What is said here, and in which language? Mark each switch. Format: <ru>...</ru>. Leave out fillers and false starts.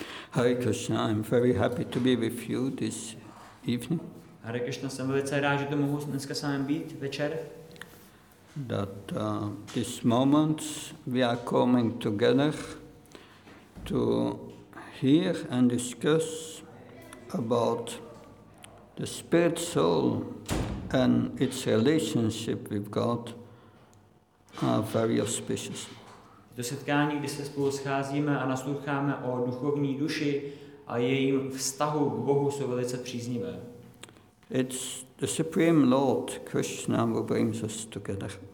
<en>Hare Krishna, I'm very happy to be with you this evening.</en> <cs>Hare Krishna, jsem velice rád, že to mohu dneska s vámi být večer.</cs> <en>That this moment we are coming together to hear and discuss about the spirit soul and its relationship with God are very auspicious.</en> <cs>To setkání, kdy se spolu scházíme a nasloucháme o duchovní duši a jejím vztahu k Bohu, jsou velice příznivé.</cs> <en>It's the Supreme Lord Krishna who brings us together.</en>